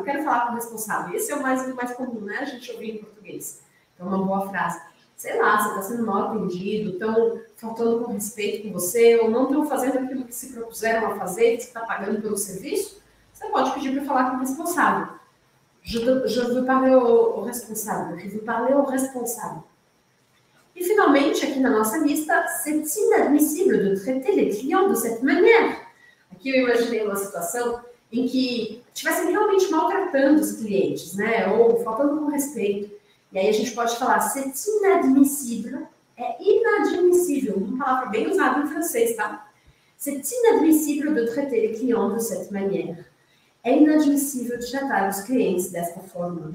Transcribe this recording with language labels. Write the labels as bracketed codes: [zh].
[pt] Eu quero falar com o responsável. Esse é o mais comum, né? A gente ouvir em português. Então, uma boa frase. Sei lá, você está sendo mal atendido, estão faltando com respeito com você, ou não estão fazendo aquilo que se propuseram a fazer, que você está pagando pelo serviço. Você pode pedir para falar com o responsável. [fr] Je veux parler au responsable. Je veux parler au responsable. [pt] E, finalmente, aqui na nossa lista, [fr] c'est inadmissible de traiter les clients de cette manière. [pt] Aqui eu imaginei uma situação em que estivessem realmente maltratando os clientes, né? Ou faltando com respeito. E aí a gente pode falar: [fr] c'est inadmissible. [pt] É inadmissível. Uma palavra bem usada em francês, tá? [fr] C'est inadmissible de traiter les clients de cette manière. [pt] É inadmissível de tratar os clientes dessa forma.